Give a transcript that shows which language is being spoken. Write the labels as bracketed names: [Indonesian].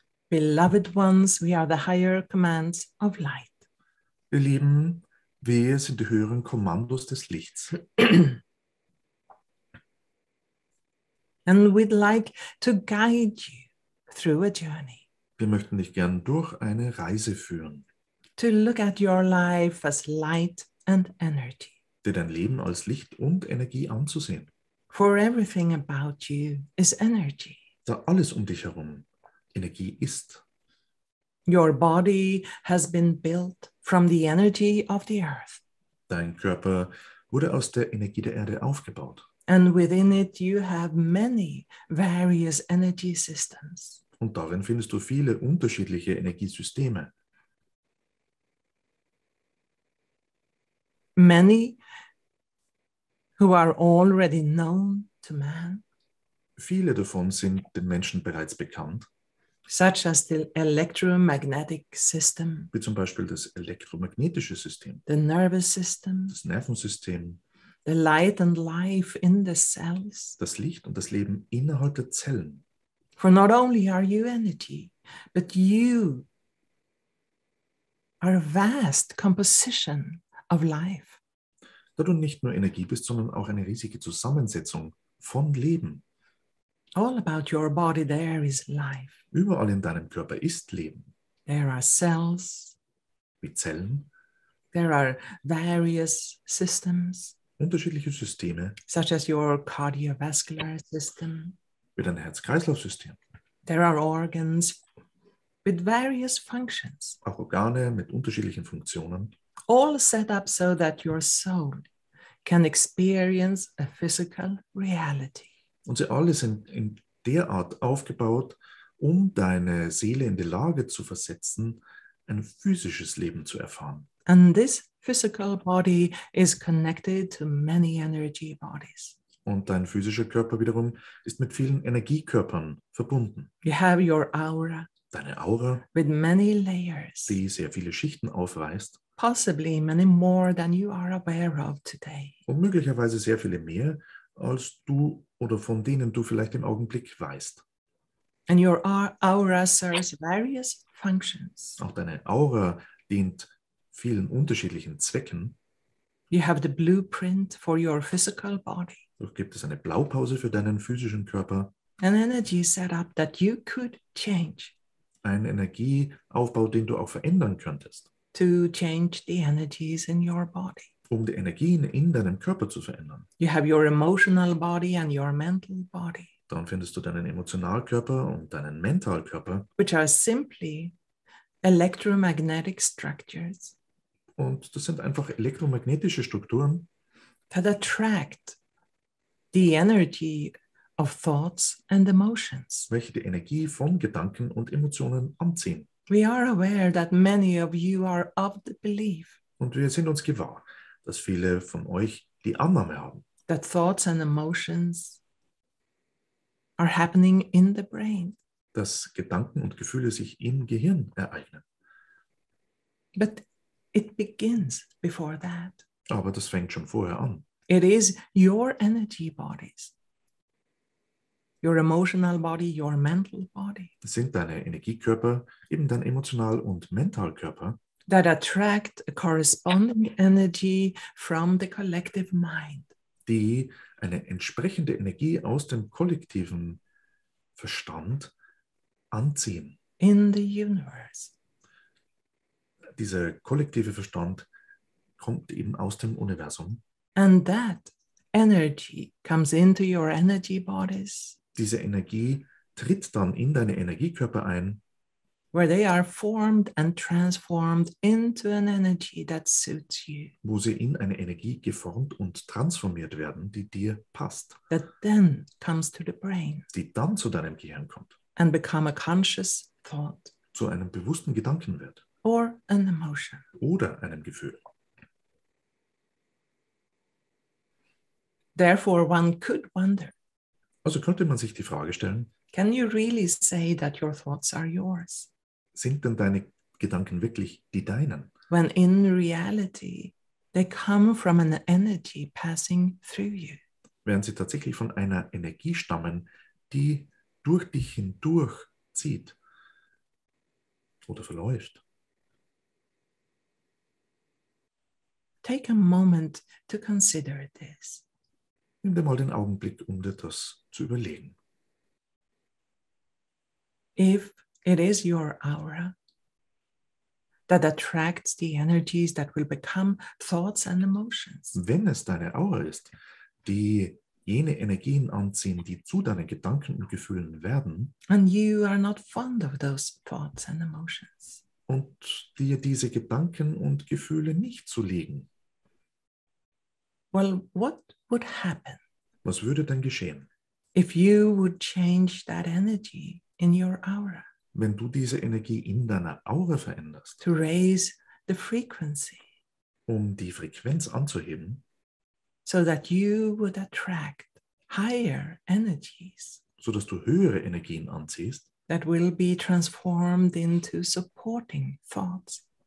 [English] Beloved ones, we are the higher commands of light. [German] Ihr Lieben, wir sind die höheren Kommandos des Lichts. [English] And we'd like to guide you through a journey. [German] Wir möchten dich gern durch eine Reise führen. [English] To look at your life as light and energy. [German] Dir dein Leben als Licht und Energie anzusehen. [English] For everything about you is energy. [German] Da alles um dich herum Energie ist. [English] Your body has been built from the energy of the earth. [German] Dein Körper wurde aus der Energie der Erde aufgebaut. [English] And within it you have many various energy systems. [German] Und darin findest du viele unterschiedliche Energiesysteme. [English] Many who are already known to man. [German] Viele davon sind den Menschen bereits bekannt. [English] Such as the electromagnetic system. [German] Wie zum Beispiel das elektromagnetische System. [English] The nervous system. [German] Das Nervensystem. [English] The light and life in the cells. [German] Das Licht und das Leben innerhalb der Zellen. [English] For not only are you energy, but you are a vast composition of life. [German] Da du nicht nur Energie bist, sondern auch eine riesige Zusammensetzung von Leben. [English] All about your body there is life. [German] Überall in deinem Körper ist Leben. [English] There are cells. [German] Wie Zellen. [English] There are various systems. [German] Unterschiedliche Systeme. [English] Such as your cardiovascular system. [German] Wie dein Herz-Kreislauf-System. [English] There are organs with various functions. [German] Auch Organe mit unterschiedlichen Funktionen. [English] All set up so that your soul can experience a physical reality. [German] Und sie alle sind in der Art aufgebaut, um deine Seele in die Lage zu versetzen, ein physisches Leben zu erfahren. [English] And this physical body is connected to many energy bodies. [German] Und dein physischer Körper wiederum ist mit vielen Energiekörpern verbunden. [English] You have your aura. [German] Deine Aura. [English] With many layers. [German] Die sehr viele Schichten aufweist. [English] Possibly many more than you are aware of today. [German] Und möglicherweise sehr viele mehr, als du oder von denen du vielleicht im Augenblick weißt. [English] And your aura serves various functions. [German] Auch deine Aura dient vielen unterschiedlichen Zwecken. [English] You have the blueprint for your physical body. [German] Du gibt es eine Blaupause für deinen physischen Körper. [English] An energy setup that you could change. [German] Ein Energieaufbau, den du auch verändern könntest. [English] To change the energies in your body. [German] Um die Energien in deinem Körper zu verändern. [English] You have your emotional body and your mental body. [German] Dann findest du deinen Emotionalkörper und deinen Mentalkörper. [English] Which are simply electromagnetic structures. [German] Und das sind einfach elektromagnetische Strukturen. [English] That attract the energy of thoughts and emotions. [German] Welche die Energie von Gedanken und Emotionen anziehen. [English] We are aware that many of you are of the belief. [German] Und wir sind uns gewahr, dass viele von euch die Annahme haben. [English] That thoughts and emotions are happening in the brain. [German] Dass Gedanken und Gefühle sich im Gehirn ereignen. [English] But it begins before that. [German] Aber das fängt schon vorher an. [English] It is your energy bodies. Your emotional body, your mental body. [German] Das sind deine Energiekörper, eben dein Emotional- und Mentalkörper. [English] That attract a corresponding energy from the collective mind. [German] Die eine entsprechende Energie aus dem kollektiven Verstand anziehen. [English] In the universe. [German] Dieser kollektive Verstand kommt eben aus dem Universum. [English] And that energy comes into your energy bodies. [German] Diese Energie tritt dann in deine Energiekörper ein. [English] Where they are formed and transformed into an energy that suits you. [German] Wo sie in eine Energie geformt und transformiert werden, die dir passt. [English] That then comes to the brain. [German] Die dann zu deinem Gehirn kommt. [English] And become a conscious thought. [German] Zu einem bewussten Gedanken wird. [English] Or an emotion. [German] Oder einem Gefühl. [English] Therefore one could wonder. [German] Also könnte man sich die Frage stellen, [English] can you really say that your thoughts are yours? [German] Sind denn deine Gedanken wirklich die deinen? [English] When in reality they come from an energy passing through you. [German] Während sie tatsächlich von einer Energie stammen, die durch dich hindurch zieht. oder verläuft. [English] Take a moment to consider this. [German] Nimm dir mal den Augenblick, um dir das zu überlegen. [English] If it is your aura that attracts the energies that will become thoughts and emotions. [German] Wenn es deine Aura ist, die jene Energien anziehen, die zu deinen Gedanken und Gefühlen werden. [English] And you are not fond of those thoughts and emotions. [German] Und dir diese Gedanken und Gefühle nicht zu legen. [English] Well, what would happen? [German] Was würde denn geschehen? [English] If you would change that energy in your aura. [German] Wenn du diese Energie in deiner Aura veränderst. [English] To raise the frequency. [German] Um die Frequenz anzuheben. [English] So that you would attract higher energies. [German] So dass du höhere Energien anziehst. [English] That will be transformed into supporting thoughts.